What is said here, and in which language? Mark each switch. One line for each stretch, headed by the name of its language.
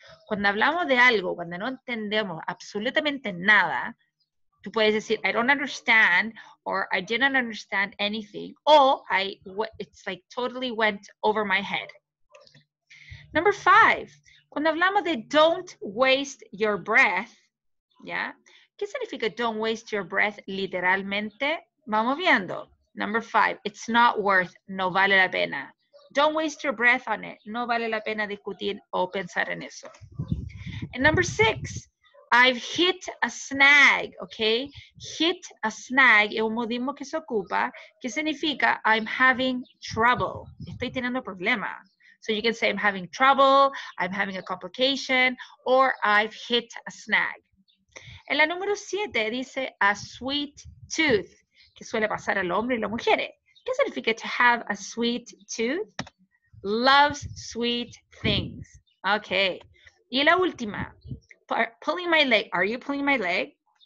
Spanish: Cuando hablamos de algo, cuando no entendemos absolutamente nada, tú puedes decir,
English: I don't understand, or I didn't understand anything, or it's like totally went over my head. Number five,
Spanish: cuando hablamos de
English: don't waste your breath, yeah,
Spanish: ¿qué significa
English: don't waste your breath
Spanish: literalmente? Vamos viendo.
English: Number five, it's not worth,
Spanish: no vale la pena.
English: Don't waste your breath on it.
Spanish: No vale la pena discutir o pensar en eso.
English: And number six, I've hit a snag, okay?
Spanish: Hit a snag es un modismo que se ocupa, que significa
English: I'm having trouble.
Spanish: Estoy teniendo problema.
English: So you can say I'm having trouble, I'm having a complication, or I've hit a snag.
Spanish: En la número 7 dice a sweet tooth, que suele pasar al hombre y las mujeres. ¿Qué significa
English: to have a sweet tooth? Loves sweet things. Okay.
Spanish: Y la última,
English: pulling my leg. Are you pulling my leg?